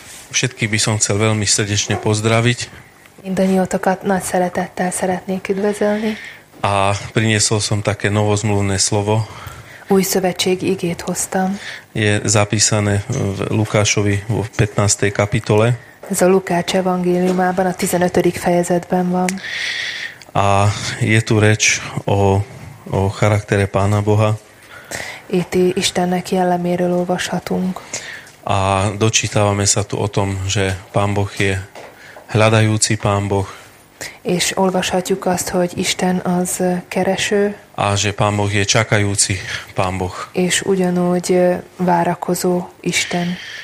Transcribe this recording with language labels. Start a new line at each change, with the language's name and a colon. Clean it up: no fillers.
Slovak: Všetkých by som chcel veľmi srdečne pozdraviť.
Hungarian: Mindannyiótokat nagy szeretettel szeretnék üdvözölni.
Slovak: A priniesol som také novozmluvné slovo.
Hungarian: Új szövetségi igét hoztam.
Slovak: Je zapísané v Lukášovi v 15. kapitole.
Hungarian: Ez a Lukács evangéliumában a 15. fejezetben van.
Slovak: A je tu reč o charaktere Pána Boha.
Hungarian: Itt Istennek jelleméről olvashatunk.
Slovak: A dočítávame sa tu o tom, že Pán Boh je hľadajúci Pán Boh.
Hungarian: És olvashatjuk azt, hogy Isten az kereső.
Slovak: A že Pán Boh je čakajúci Pán Boh.
Hungarian: És ugyanúgy várakozó Isten.